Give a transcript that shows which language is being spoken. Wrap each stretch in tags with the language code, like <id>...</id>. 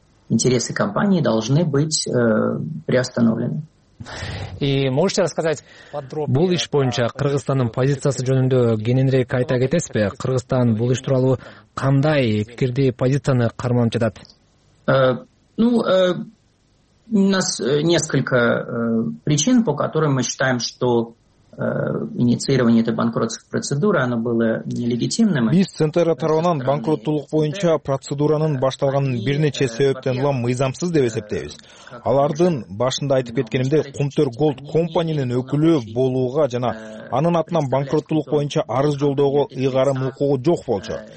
<ru>Интересы компании должны быть приостановлены. И можете рассказать подробнее?</ru> <ky>Бул иш боюнча Кыргызстандын позициясы жөнүндө кененирээк айта кетесизби? Кыргызстан бул иш тууралуу кандай пикирди, позицияны карманып жатат?</ky> <ru>У нас несколько причин, по которым мы считаем, что инициирование этой банкротской процедуры оно было нелегитимным.</ru> <ky>Биз центр тарабынан банкроттулук боюнча процедуранын башталганын бир нече себептен улам мыйзамсыз деп эсептейбиз. Алардын башында айтып кеткенимдей, Кумтөр Голд компанияны өкүлү болууга жана анын атынан банкроттулук боюнча арыз жолдоого ыйгарым укугу жок болчу.</ky>